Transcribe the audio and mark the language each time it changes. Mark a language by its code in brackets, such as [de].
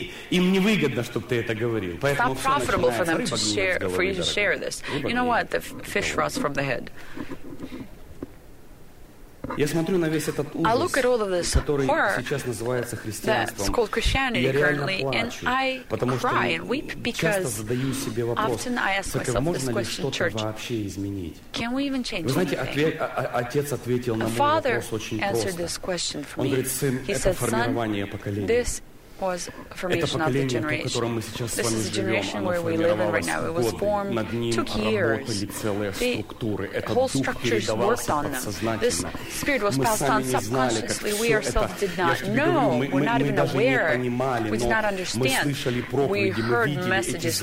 [ru] Им не выгодно, чтобы ты это говорил. [en] It's not profitable for them to share, for you to share this. You know what? The fish rots from the head. [ru] Я смотрю на весь этот ужас, который сейчас называется христианством. И я реально плачу, потому что часто задаю себе вопрос, как можно ли что-то вообще изменить? [en] Can we even change? [ru] Вы знаете, отец ответил на мой вопрос очень просто. Он говорит, сын, это формирование поколения. [en] Was a formation of the generation. This is the generation where we live in right now. It was formed, took years. The whole structure worked on them. This spirit was passed on subconsciously. We ourselves did not know. We're not even aware. We did not understand. We heard messages.